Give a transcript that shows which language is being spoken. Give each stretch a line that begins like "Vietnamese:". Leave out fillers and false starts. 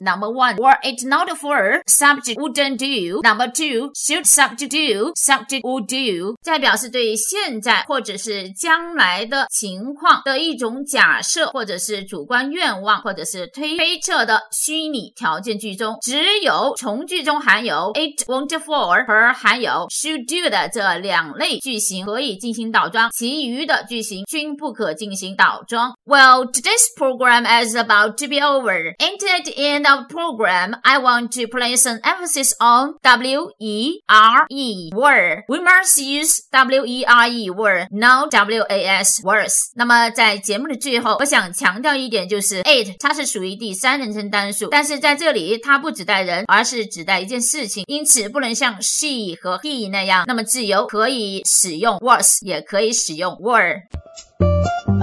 English: Number one, were it not for, subject wouldn't do. Number two, should subject do, subject would do.
Chinese: 这表示对现在或者是将来的情况的一种假设，或者是主观愿望，或者是推测的虚拟条件句中，只有从句中含有 it won't for而还有 should do 的这两类句型可以进行倒装，其余的句型均不可进行倒装。
English: Well, today's program is about to be over. And at the end of program, I want to place an emphasis on were. Were. We must use were, were, not was, worse.
Chinese: 那么在节目的最后，我想强调一点，就是 it 它是属于第三人称单数，但是在这里它不指代人，而是指代一件事情，因此不能像she和 he 那样，那么自由可以使用 was， 也可以使用 were。